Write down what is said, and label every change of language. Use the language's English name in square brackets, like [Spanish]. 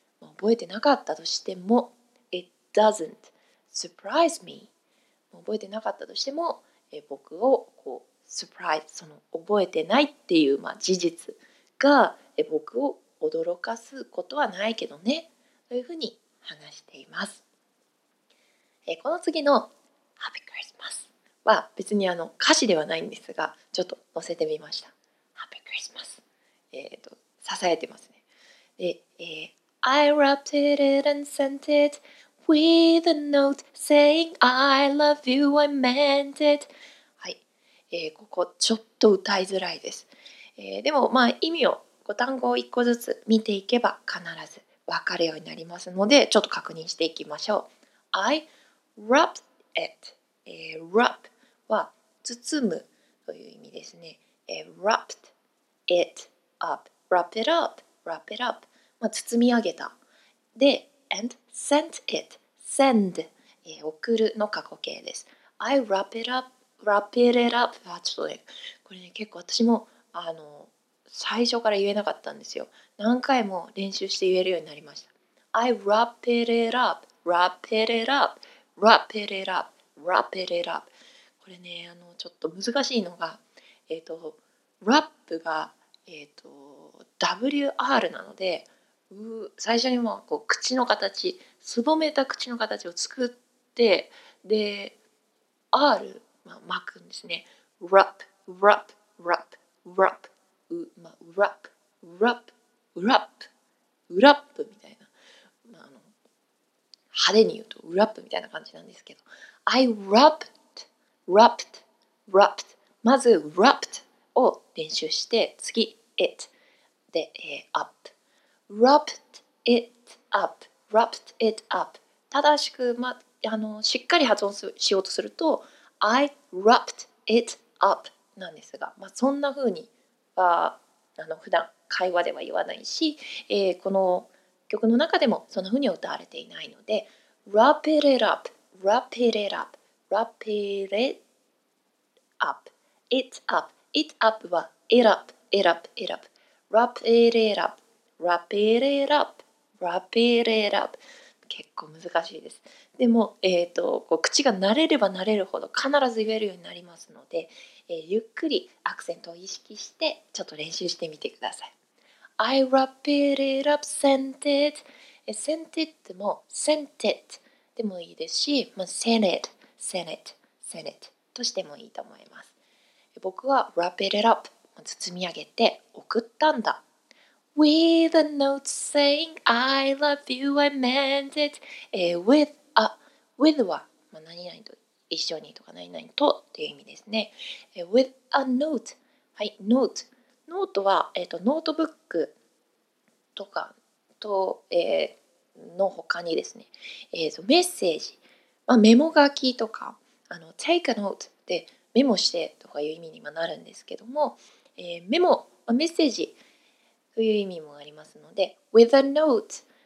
[Japanese] 覚えてなかったとしても [English] It doesn't surprise me [Japanese] 覚えてなかったとしても僕をこう surprise その覚えてないっていう、まあ、事実が僕を驚かすことはないけどねというふうに話しています。この次の Happy Christmas は別に歌詞ではないんですがちょっと載せてみました。 Happy Christmas 支えてますね。 [English] で、I wrapped it and sent it with a note saying I love you, I meant it. [Japanese] はい、ここちょっと歌いづらいです。でもまあ意味を単語を一個ずつ見ていけば必ず分かるようになりますのでちょっと確認していきましょう。 [English] I wrapped it. [Japanese] Wrap は包むという意味ですね。 [English] Wrapped it up. Wrap it up. Wrap it up. [Japanese] まあ、包み上げた。 [English] で、and sent it. Send. [Japanese] 送るの過去形です。 [English] I wrap it up, wrap it up。 [Japanese] あ、ちょっとね、これね、結構私も最初から言えなかったんですよ。何回も練習して言えるようになりました。 [English] I wrap it up, wrap it up, wrap it up, wrap it up。 [Japanese] これね、ちょっと難しいのが、wrap が、WR なので、最初にもこう口の形、すぼめた口の形を作って、で R、まあ、巻くんですね。 [English] wrap, wrap, wrap, wrap、まあ、wrap, wrap, wrap, wrap みたいな、 [Japanese] まあ、派手に言うと [English] wrap みたいな感じなんですけど、 I wrapped, wrapped, wrapped。まず wrapped [Japanese] を練習して、 [English] 次 it で、up、 wrapped it up、 wrapped it up。 [Japanese] 正しく、まあ、しっかり発音しようとすると [English] I wrapped it up [Japanese] なんですが、まあ、そんな風には普段会話では言わないし、この曲の中でもそんな風に歌われていないので、 wrap it up, wrap it up, wrap it up, it up, it up は it up, it up, it up, wrap it up, wrap it up, wrap it up。結構難しいです。でも、口が慣れれば慣れるほど必ず言えるようになりますので、ゆっくりアクセントを意識してちょっと練習してみてください。 [English] I wrap it up, sent it。 sent it でも sent it [Japanese] でもいいですし、 [English] まあ、sent it, sent it, sent it としてもいいと思います。 [Japanese] 僕は [English] wrap it up、 [Japanese] 包み上げて送ったんだ。 [English] With a note saying I love you, I meant it。 [Japanese] withあ、with は、まあ、何々と一緒にとか何々とっていう意味ですね。 [English] With a note。 [Japanese] はい、 [English] note。 [Japanese] ノートは、ノートブックとかと、の他にですね、メッセージ、まあ、メモ書きとか、 [English] take a note [Japanese] でメモしてとかいう意味にもなるんですけども、メモ、まあ、メッセージという意味もありますので、with a note。